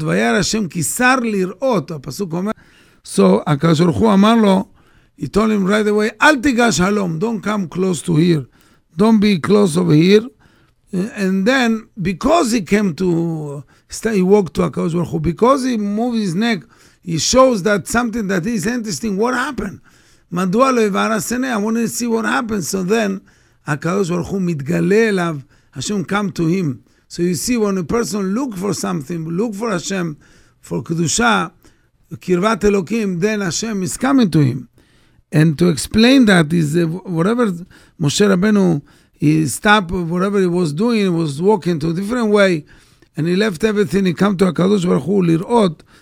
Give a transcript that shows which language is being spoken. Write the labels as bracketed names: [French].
[Hebrew] Vayar Hashem kisar lirot. Pasuk omer. [English] So, [Hebrew] HaKadosh Baruch Hu Amar lo, [English] he told him right away, [Hebrew] Al tigash halom, [English] don't come close to here. Don't be close over here. And then, because he came to, he walked to HaKadosh Baruch Hu, because he moved his neck, he shows that something that is interesting, what happened? [Hebrew] מדוע לא הבאר הסנה? [English] I want to see what happens. So then, [Hebrew] הקדוש ברוך הוא מתגלה אליו, השם [English] come to him. So you see, when a person look for something, look for Hashem, for קדושה, [Hebrew] קרבת אלוקים, [English] then Hashem is coming to him. And to explain that is, whatever Moshe Rabbeinu, he stopped whatever he was doing, he was walking to a different way, and he left everything, he come to [Hebrew] הקדוש ברוך הוא לראות.